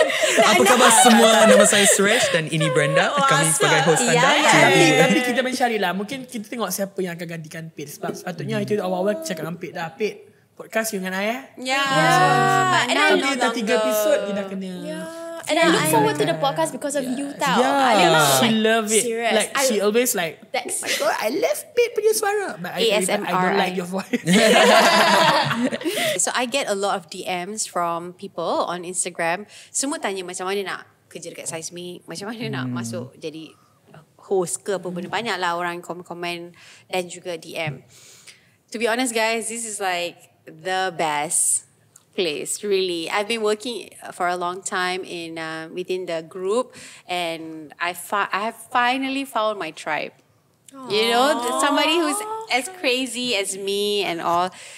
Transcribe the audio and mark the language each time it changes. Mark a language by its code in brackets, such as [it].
[ms] apa khabar semua, nama saya Suresh dan ini Brenda, kami sebagai host anda. Tapi kita mencari lah, mungkin kita tengok siapa yang akan gantikan Pedd. Sebab sepatutnya itu awal-awal cakap dengan Pedd dah. Pedd, podcast dengan saya. Tapi dah 3 episod dia dah kena. [en] And I look forward to the podcast because of you tau. She love it. Serious. Like she always like, oh, I love Pedd [ms] punya suara. [en] But ASMR. I don't like your voice. So I get a lot of DMs from people on Instagram. [ms] Semua tanya macam mana nak kerja dekat SEISMIK, macam mana nak masuk jadi host ke apa benda. Banyak lah orang komen-komen dan juga DM. [en] To be honest guys, this is like the best place, really. I've been working for a long time in within the group, and I have finally found my tribe. Aww. You know, somebody who's as crazy as me and all.